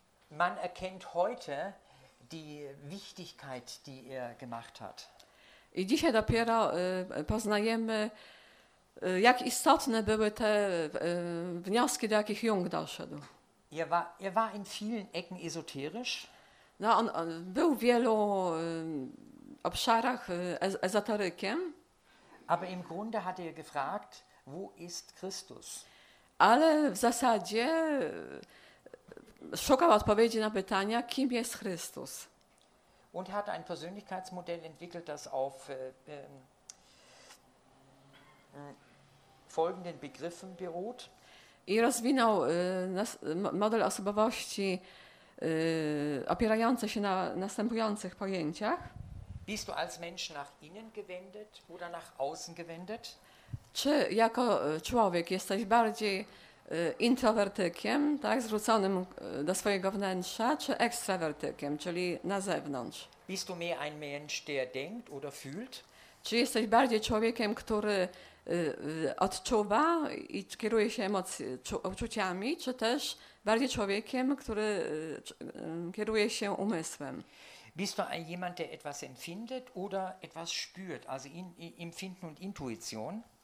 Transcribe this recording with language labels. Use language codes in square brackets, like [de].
[de] Man erkennt heute die Wichtigkeit, die er gemacht hat. [pl] I dzisiaj dopiero poznajemy, jak istotne były te wnioski, do jakich Jung doszedł. [de] Er war in vielen Ecken esoterisch. [pl] No, on był w wielu obszarach ezoterykiem. [de] Aber im Grunde hat er gefragt, wo ist Christus? [pl] Ale w zasadzie szukał odpowiedzi na pytania, kim jest Chrystus. [de] Und hat ein Persönlichkeitsmodell entwickelt, das auf folgenden Begriffen beruht. [pl] I rozwinął model osobowości opierający się na następujących pojęciach. [de] Bist du als Mensch nach innen gewendet oder nach außen gewendet? [pl] Czy jako człowiek jesteś bardziej introwertykiem, tak, zwróconym do swojego wnętrza, czy ekstrawertykiem, czyli na zewnątrz? [de] Bist du mehr ein Mensch, der denkt oder fühlt? [pl] Czy jesteś bardziej człowiekiem, który odczuwa i kieruje się uczuciami, czy też bardziej człowiekiem, który kieruje się umysłem. [de] Bist du ein jemand, der etwas empfindet oder etwas spürt, also Empfinden und Intuition?